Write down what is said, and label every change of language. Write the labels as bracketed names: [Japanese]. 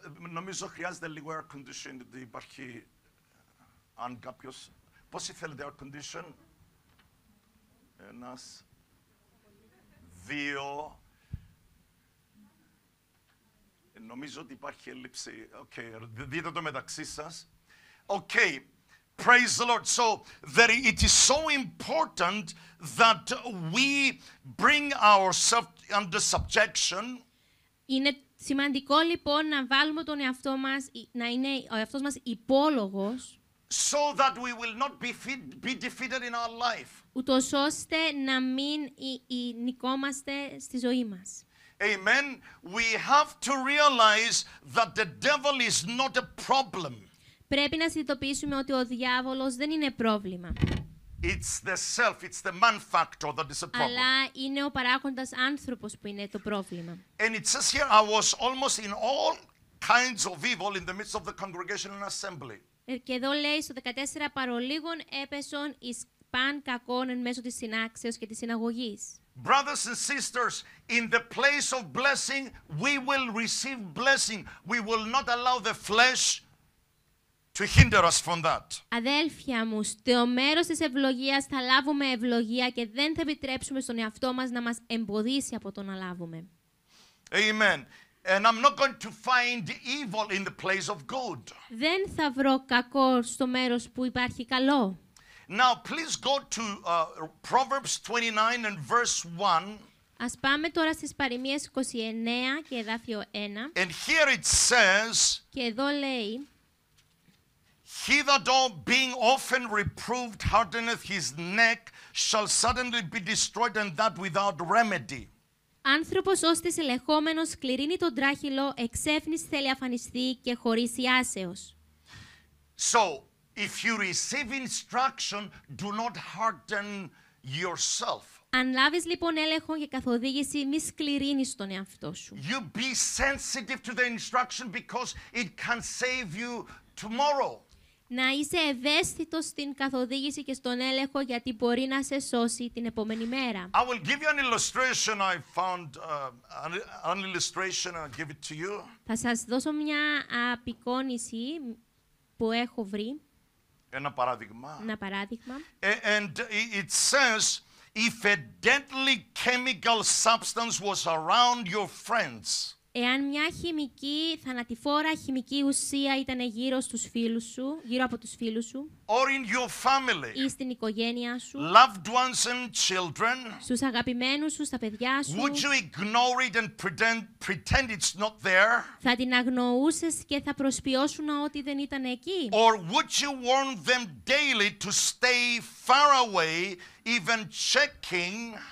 [Greek] Νομίζω χρειάζεται λίγο air condition. Υπάρχει αν κάποιος. Πόσοι θέλετε air condition? Ένας, δύο. Νομίζω ότι υπάρχει έλλειψη. Okay, δείτε το μεταξύ σας. [English] Okay. Praise the Lord. So there it is so important that we bring ourselves under subjection. [Greek] Είναι σημαντικό λοιπόν να βάλουμε τον εαυτό μας, να είναι ο εαυτός μας υπόλογος. [English] So that we will not be defeated in our life. [Greek] Ούτως ώστε να μην νικόμαστε στη ζωή μας. [English] Amen. We have to realize that the devil is not a problem. [Greek] Πρέπει να συνειδητοποιήσουμε ότι ο διάβολος δεν είναι πρόβλημα. [English] It's the self, it's the man factor that is a problem. [Greek] Αλλά είναι ο παράγοντας άνθρωπος που είναι το πρόβλημα. [English] And it says here, I was almost in all kinds of evil in the midst of the congregation and assembly. [Greek] Και εδώ λέει στο 14, παρολίγων έπεσον εις παν κακών εν μέσω της συνάξεως και της συναγωγής. [English] Brothers and sisters, in the place of blessing, we will receive blessing. We will not allow the flesh to hinder us from that. [Greek] Αδέλφια μου, στο μέρος της ευλογίας θα λάβουμε ευλογία και δεν θα επιτρέψουμε στον εαυτό μας να μας εμποδίσει από το να λάβουμε. [English] Amen. And I'm not going to find evil in the place of good. [Greek] Δεν θα βρω κακό στο μέρος που υπάρχει καλό. [English] Now please go to Proverbs 29 and verse 1. [Greek] Ας πάμε τώρα στις Παροιμίες 29 και εδάφιο 1. [English] And here it says. [Greek] Και εδώ λέει. [English] He that being often reproved hardeneth his neck shall suddenly be destroyed and that without remedy. [Greek] Άνθρωπος ώστες ελεγχόμενος κληρύνει τον τράχυλο, εξέφνης θέλει αφανιστεί και χωρίς ιάσεως. [English] So, if you receive instruction, do not harden yourself. [Greek] Αν λάβεις λοιπόν έλεγχο και καθοδήγηση, μη σκληρύνεις τον εαυτό σου. [English] You be sensitive to the instruction because it can save you tomorrow. [Greek] Να είσαι ευαίσθητος στην καθοδήγηση και στον έλεγχο γιατί μπορεί να σε σώσει την επόμενη μέρα. [English] I will give you an illustration I found an illustration and I'll give it to you. [Greek] Θα σας δώσω μια απεικόνιση που έχω βρει. Ένα παράδειγμα. [English] And it says if a deadly chemical substance was around your friends. [Greek] Εάν μια χημική, θανατηφόρα χημική ουσία ήταν γύρω στους φίλους σου, γύρω από τους φίλους σου, [English] or in your family, [Greek] ή στην οικογένειά σου, [English] loved ones and children, [Greek] στους αγαπημένους σου, στα παιδιά σου, [English] would you ignore it and pretend it's not there, [Greek] θα την αγνοούσες και θα προσποιώσουν ότι δεν ήταν εκεί, [English] or would you warn them daily to stay far away, even checking,